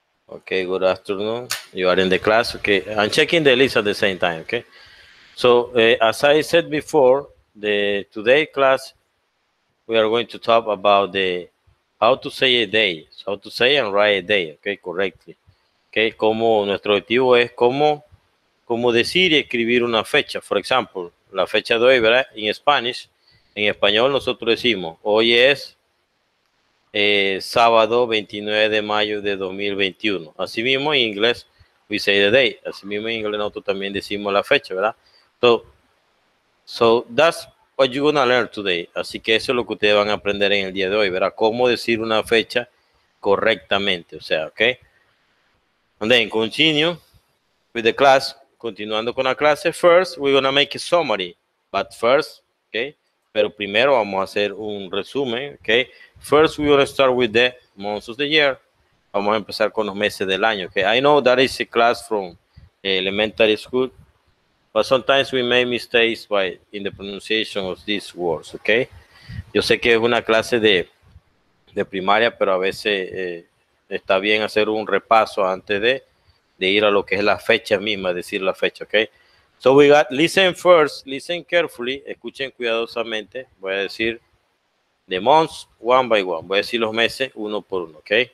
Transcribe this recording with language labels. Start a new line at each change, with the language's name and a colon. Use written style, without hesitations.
English: Okay, good afternoon. You are in the class. Okay, I'm checking the list at the same time. Okay, so as I said before, the today class we are going to talk about the how to say a day, so how to say and write a day. Okay, correctly.
Spanish: Okay, como nuestro objetivo es cómo decir y escribir una fecha.
English: For example,
Spanish: la fecha de hoy, ¿verdad?
English: In Spanish,
Spanish: en español nosotros decimos hoy es sábado 29 de mayo de 2021. Así mismo en inglés,
English: we say the day.
Spanish: Así mismo en inglés nosotros también decimos la fecha, ¿verdad?
English: So that's what you're gonna learn today.
Spanish: Así que eso es lo que ustedes van a aprender en el día de hoy, ¿verdad? Cómo decir una fecha correctamente, o sea, ¿ok?
English: And then continue with the class.
Spanish: Continuando con la clase,
English: first we're gonna make a summary. But first,
Spanish: ¿ok? Pero primero vamos a hacer un resumen, ¿ok?
English: First, we will start with the months of the year.
Spanish: Vamos a empezar con los meses del año.
English: Okay, I know that is a class from elementary school, but sometimes we make mistakes in the pronunciation of these words.
Spanish: Okay, yo sé que es una clase de primaria, pero a veces está bien hacer un repaso antes de ir a lo que es la fecha misma, decir la fecha.
English: Okay, so we got listen first, listen carefully,
Spanish: escuchen cuidadosamente. Voy a decir
English: the months, one by one.
Spanish: Voy a decir los meses, uno por uno, ¿ok?